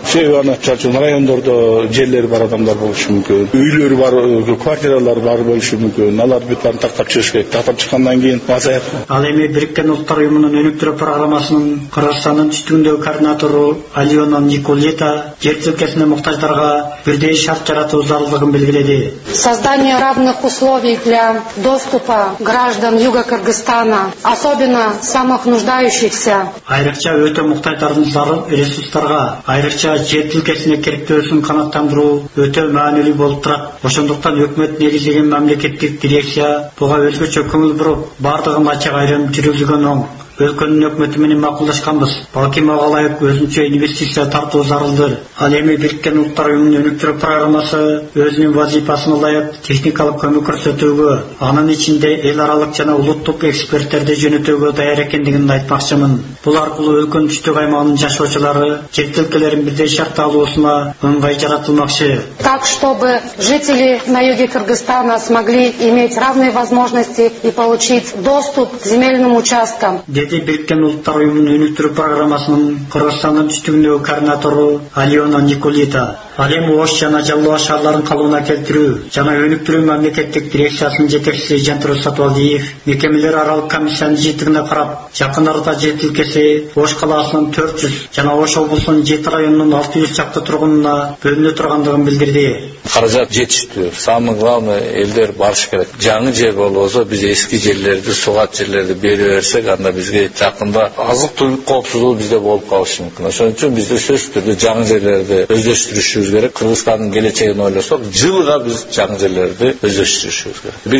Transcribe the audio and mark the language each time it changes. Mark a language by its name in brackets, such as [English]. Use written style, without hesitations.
[Kyrgyz] Себеби аны чачуу райондордо жерлери бар адамдар болушу мүмкүн, үйлөрү бар, квартиралары бар болушу мүмкүн. Алар бүт баарын тактап чыгыш керек. Тактап чыккандан кийин азаят. Ал эми Бириккен Улуттар Уюмунун өнүктүрүү программасы Кыргызстандын түштүгүндөгү координатору Алиона Николета жер тилкесине муктаждарга бирдей шарт жаратуу зарылдыгын белгиледи. [Russian] Создание равных условий для доступа граждан Юга Кыргызстана, особенно самых нуждающихся. [Kyrgyz] Айрыкча өтө муктаждардын зарыл ресурстарга, айрыкча жер тилкесине керектөөсүн канаттандыруу өтө маанилүү болуп турат. Ошондуктан өкмөт негизделген мамлекеттик дирекция буга өзгөчө көңүл буруп, бардыгын ачык айрым жүргүзгөнүн өлкөнүн өкмөтү менен макулдашканбыз. Балким ага ылайык өзүнчө инвестиция тартуу зарылдыр. Ал эми Бириккен Улуттар Уюмунун өнүктүрүү программасы өзүнүн вазифасына ылайык техникалык көмөк көрсөтүүгө, анын ичинде эл аралык жана улуттук эксперттерди жөнөтүүгө даяр экендигин айтмакчымын. Бул аркылуу өлкөнүн түштүк аймагынын жашоочулары жер тилкелерин бирдей шартта алуусуна ыңгай жаратылмакчы. [Russian] Так чтобы жители на юге Кыргызстана смогли иметь равные возможности и получить доступ к земельным участкам. [Kyrgyz] Деди Бириккен Улуттар Уюмунун өнүктүрүү программасынын Кыргызстандын түштүгүндөгү координатору Алиона Николита. Ал эми Ош жана Жалоо шаарларын калыбына келтирүү жана өнүктүрүү мамлекеттик дирекциясынын жетекчиси Жантурус Сатыбалдиев мекемелер аралык комиссиянын жыйынтыгына карап, жакын арада жер тилкеси Ош калаасынын 400 жана Ош облусунун 7 районунун 600 чакты тургунуна бөлүнө тургандыгын билдирди. Каражат жетиштүү. [Russian] Самый главный [Kyrgyz] элдер барыш керек. Жаңы жер болбосо биз эски жерлерди, сугат жерлерди бере берсек анда бизге жакында азык түлүк коопсуздугу бизде болуп калышы мүмкүн. Ошон үчүн бизде сөзсүз түрдө жаңы жерлерди өздөштүрүшүбүз керек. Кыргызстандын келечегин ойлосок, жылга биз жаңы жерлерди өздөштүрүшүбүз керек.